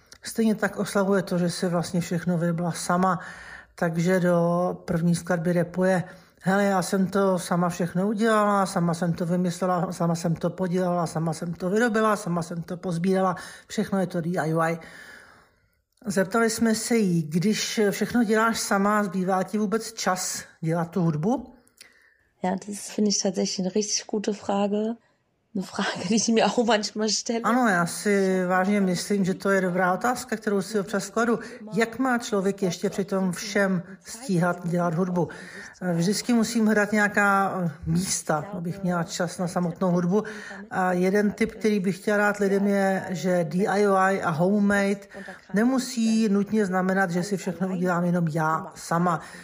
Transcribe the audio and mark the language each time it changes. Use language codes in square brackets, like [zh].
[cs] Stejně tak oslavuje to, že se vlastně všechno vybla sama. Takže do první skladby rapuje, hele, já jsem to sama všechno udělala, sama jsem to vymyslela, sama jsem to podělala, sama jsem to vyrobila, sama jsem to pozbírala, všechno je to DIY. Zeptali jsme se jí, když všechno děláš sama, zbývá ti vůbec čas dělat tu hudbu? [de] Ja, das finde ich tatsächlich eine richtig gute Frage. Eine Frage, die ich mir auch manchmal stelle. [cs] Ano, já si vážně myslím, že to je dobrá otázka, kterou si občas kladu. Jak má člověk ještě při tom všem stíhat dělat hudbu? Vždycky musím hledat nějaká místa, abych měla čas na samotnou hudbu. A jeden tip, který bych chtěla dát lidem, je, že DIY a homemade nemusí nutně znamenat, že si všechno udělám jenom já sama.